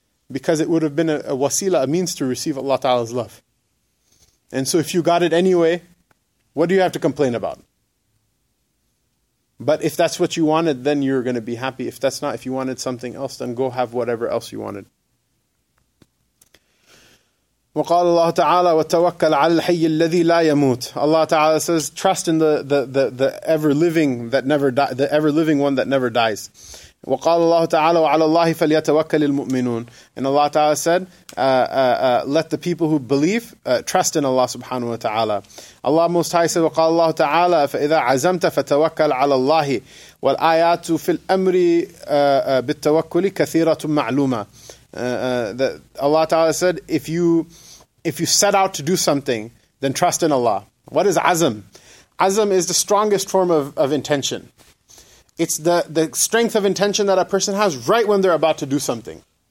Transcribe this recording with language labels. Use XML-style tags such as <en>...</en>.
<en>Because it would have been a wasila, a means to receive Allah Ta'ala's love. And so if you got it anyway, what do you have to complain about? But if that's what you wanted, then you're going to be happy. If that's not, if you wanted something else, then go have whatever else you wanted.</en> <ar>وقال الله تعالى وتوكل على الحي الذي لا يموت.</ar> <en>Allah Ta'ala says, trust in the ever living that never die, the ever living one that never dies.</en> <ar>وقال الله تعالى وعلى الله فليتوكل المؤمنون.</ar> <en>And Allah Ta'ala said, let the people who believe trust in Allah Subhanahu wa Ta'ala. Allah Most High said,</en> <ar>وقال الله تعالى فإذا عزمت فتوكل على الله. والآيات في الأمر بالتوكل كثيرة معلومة.</ar> <en>That Allah Ta'ala said, if you set out to do something, then trust in Allah. What is azm? Azm is the strongest form of intention. It's the strength of intention that a person has right when they're about to do something.</en>